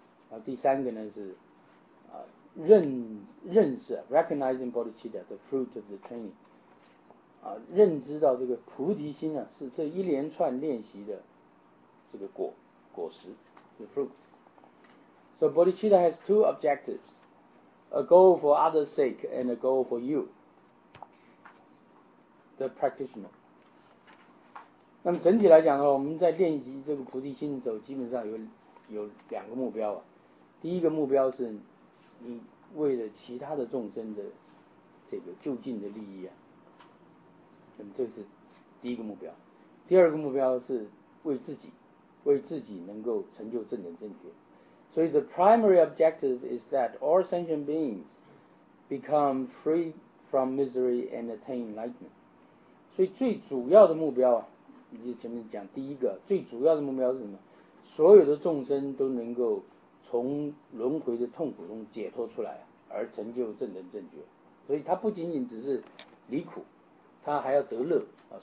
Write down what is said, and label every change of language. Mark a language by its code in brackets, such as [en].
[zh] 然后第三个呢是认识 [en] recognizing bodhicitta the fruit of the training， [zh] 认知到这个菩提心啊是这一连串练习的这个果实 [en] the fruit. So bodhicitta has two objectives, a goal for others' sake and a goal for you. the practitioner。 [zh] 那么整体来讲的话，我们在练习这个菩提心的时候，基本上有两个目标啊。第一个目标是，你为了其他的众生的这个就近的利益啊，那么这是第一个目标。第二个目标是为自己能够成就正等正觉。 [en] So the primary objective is that all sentient beings become free from misery and attain enlightenment. [zh] 所以最主要的目标，你就前面讲第一个，最主要的目标是什么？所有的众生都能够从轮回的痛苦中解脱出来，而成就正等正觉。所以它不仅仅只是离苦，它还要得乐啊！